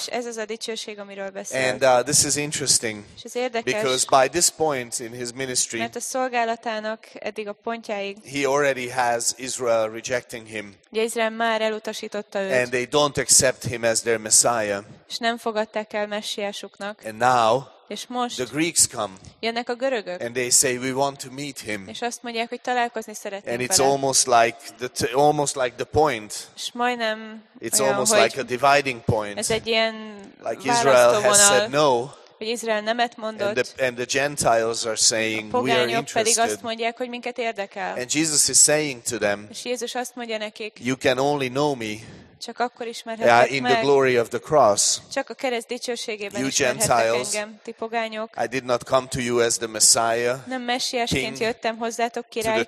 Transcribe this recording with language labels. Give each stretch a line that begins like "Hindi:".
Hungarian: És ez az a dicsőség, amiről beszélt.
English: And this is interesting.
Hungarian: És ez érdekes.
English: Because by this point in his ministry,
Hungarian: mert a szolgálatának eddig a pontjáig,
English: he already has Israel rejecting him.
Hungarian: Izrael már elutasította őt.
English: And they don't accept him as their Messiah.
Hungarian: És nem fogadták el messiásuknak.
English: And now,
Hungarian: és most
English: the Greeks come,
Hungarian: jönnek a görögök,
English: and they say we want to meet him,
Hungarian: és azt mondják, hogy találkozni szeretnénk vele.
English: And it's almost like the point,
Hungarian: és majdnem
English: it's almost like a dividing point,
Hungarian: ez egy ilyen
English: like Israel has said no,
Hungarian: hogy Izrael nemet mondott,
English: and the Gentiles are saying we are interested,
Hungarian: pedig azt mondják, hogy minket érdekel.
English: And Jesus is saying to them,
Hungarian: és Jézus azt mondja nekik,
English: you can only know me,
Hungarian: csak akkor ismerhetek meg.
English: In the glory of the cross.
Hungarian: Csak a kereszt dicsőségében
English: you Gentiles,
Hungarian: ismerhetek engem, ti pogányok.
English: I did not come to you as the Messiah.
Hungarian: Nem messiásként jöttem hozzátok, királyként.